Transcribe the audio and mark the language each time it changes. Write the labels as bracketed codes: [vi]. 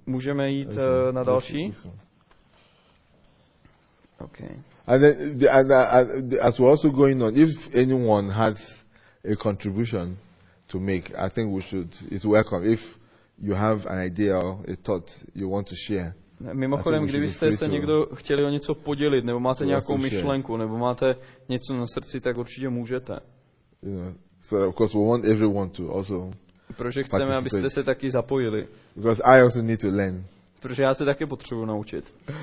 [cs] Můžeme jít na další? Okay. [en] And then as we're also going on, if anyone has a contribution to make, I think we should. It's welcome. If you have an idea or a thought you want to share. [cs] Mimochodem, kdybyste se někdo chtěli o něco podělit, nebo máte nějakou myšlenku, nebo máte něco na srdci, tak určitě můžete. [en] You know, so of course we want everyone to also. [cs] Protože chceme, abyste se taky zapojili. [en] Because I also need to learn. [cs] Protože já se taky potřebuji naučit.